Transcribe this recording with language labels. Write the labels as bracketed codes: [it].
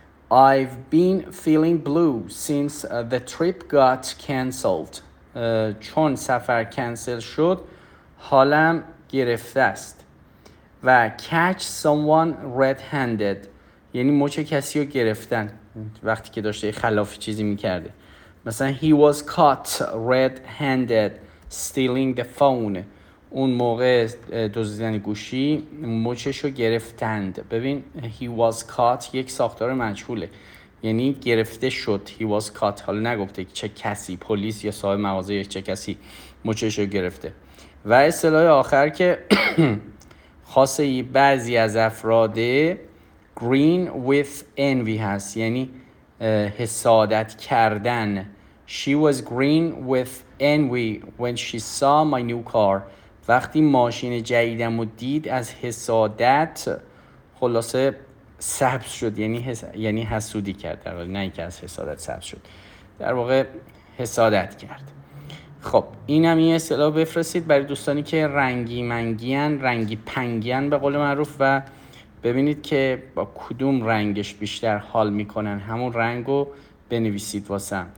[en] I've been feeling blue since the trip got cancelled. [fa] چون سفر کنسل شد حالم گرفته است. و [en] catch someone red-handed [fa] یعنی مچ کسی رو گرفتن وقتی که داشته خلافی چیزی میکرده. [en] مثلا he was caught red-handed stealing the phone. [fa] اون موقع دزدیدن گوشی مچش رو گرفتند. ببین [en] he was caught [fa] یک ساختار مجهوله، یعنی گرفته شد. [en] he was caught [fa] حالا نگفته چه کسی، پلیس یا صاحب مغازه یا چه کسی مچش رو گرفته. و اصطلاح آخر که خاصه بعضی از افراده، [en] green with envy [fa] هست، یعنی حسادت کردن. [en] She was green with envy when she saw my new car. [fa] وقتی ماشین جدیدم رو دید از حسادت خلاصه سبز شد، یعنی حسودی کرد. در واقع نه اینکه از حسادت سبز شد، در واقع حسادت کرد. خب اینم یه اصطلاح، بفرستید برای دوستانی که رنگی منگیان، رنگی پنگیان به قول معروف، و ببینید که با کدوم رنگش بیشتر حال میکنن، همون رنگو بنویسید واسم.